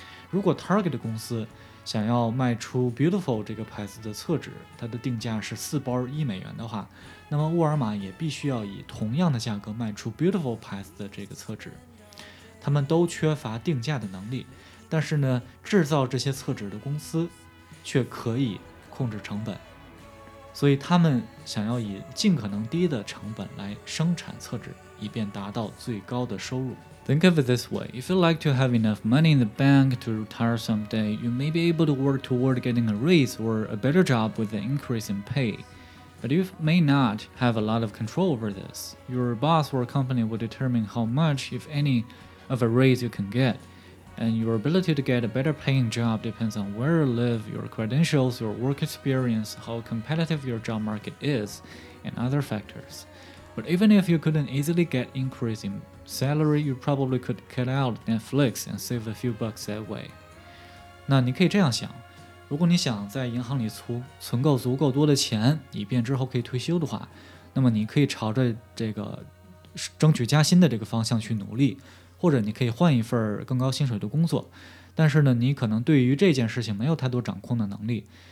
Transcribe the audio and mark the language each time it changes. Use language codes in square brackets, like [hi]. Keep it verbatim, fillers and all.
[zh] 如果 Target 公司想要卖出 Beautiful 这个牌子的厕纸，它的定价是四包一美元的话，那么沃尔玛也必须要以同样的价格卖出 Beautiful 牌子的这个厕纸。他们都缺乏定价的能力，但是呢，制造这些厕纸的公司却可以控制成本，所以他们想要以尽可能低的成本来生产厕纸，以便达到最高的收入。 [en] Think of it this way: if you like to have enough money in the bank to retire someday, you may be able to work toward getting a raise or a better job with an increase in pay. But you may not have a lot of control over this. Your boss or company will determine how much, if any, of a raise you can get. And your ability to get a better paying job depends on where you live, your credentials, your work experience, how competitive your job market is, and other factors. But even if you couldn't easily get increase in salary, you probably could cut out Netflix and save a few bucks that way. [zh] 那你可以这样想，如果你想在银行里存存够足够多的钱，以便之后可以退休的话，那么你可以朝着这个争取加薪的这个方向去努力。或者你可以换一份更高薪水的工作，但是呢，你可能对于这件事情没有太多掌控的能力。